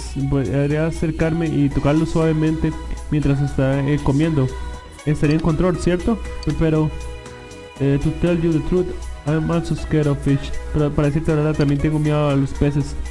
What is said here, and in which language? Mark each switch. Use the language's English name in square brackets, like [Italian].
[Spanish] Podría acercarme y tocarlo suavemente mientras está comiendo. Estaría en control, ¿cierto? Pero [English] to tell you the truth, I'm also scared of fish. [Spanish] Pero para decirte la verdad, también tengo miedo a los peces.